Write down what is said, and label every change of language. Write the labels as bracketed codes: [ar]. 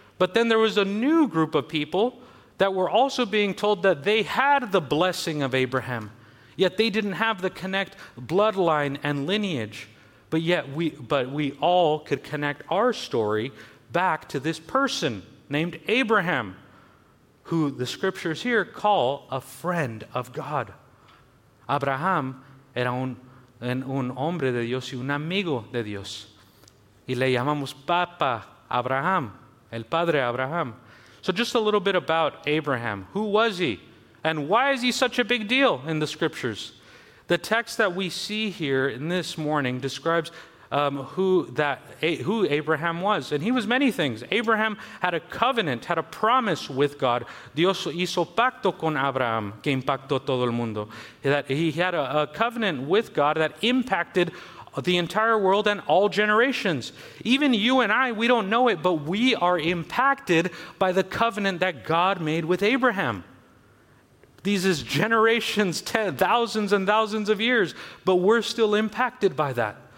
[en] But then there was a new group of people that were also being told that they had the blessing of Abraham, yet they didn't have the connect bloodline and lineage. But we all could connect our story back to this person named Abraham, who the scriptures here call a friend of God. [es] Abraham era un hombre de Dios y un amigo de Dios. Y le llamamos Papa Abraham, el Padre Abraham. [en] So just a little bit about Abraham. Who was he? And why is he such a big deal in the scriptures? The text that we see here in this morning describes who Abraham was. And he was many things. Abraham had a covenant, had a promise with God. [es] Dios hizo pacto con Abraham, que impactó todo el mundo. [en] That he had a covenant with God that impacted the entire world and all generations. Even you and I, we don't know it, but we are impacted by the covenant that God made with Abraham. These is generations, thousands and thousands of years, but we're still impacted by that.